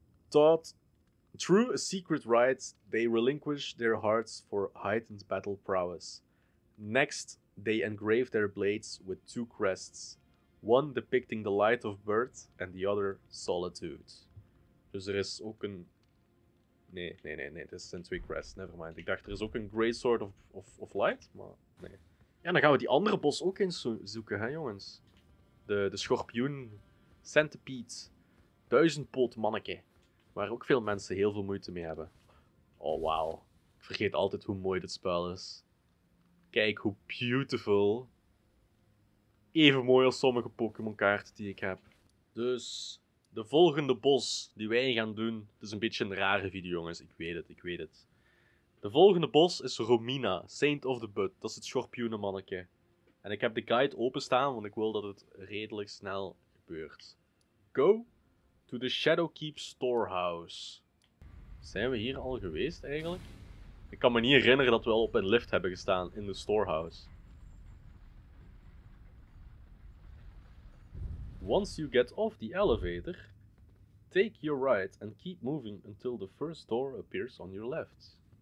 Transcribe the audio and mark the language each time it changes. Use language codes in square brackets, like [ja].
[en] Taught through a secret rite, they relinquish their hearts for heightened battle prowess. Next, they engrave their blades with two crests. One depicting the light of birth and the other solitude. [nl] Dus er is ook een... Nee, dit zijn twee crests, never mind. Ik dacht, er is ook een Great Sword of Light, maar nee. Ja, dan gaan we die andere bos ook eens zoeken, hè, jongens. De schorpioen, centipede, duizendpoot manneke. Waar ook veel mensen heel veel moeite mee hebben. Oh, wauw. Ik vergeet altijd hoe mooi dit spel is. Kijk hoe beautiful. Even mooi als sommige Pokémon-kaarten die ik heb. Dus, de volgende bos die wij gaan doen... Het is een beetje een rare video, jongens. Ik weet het. De volgende bos is Romina, Saint of the Bud. Dat is het schorpioenenmanneke. En ik heb de guide openstaan, want ik wil dat het redelijk snel gebeurt. [en] Go to the Shadowkeep Storehouse. [nl] Zijn we hier al geweest, eigenlijk? Ik kan me niet herinneren dat we al op een lift hebben gestaan in de storehouse. [en] Once you get off the elevator, take your right and keep moving until the first door appears on your left.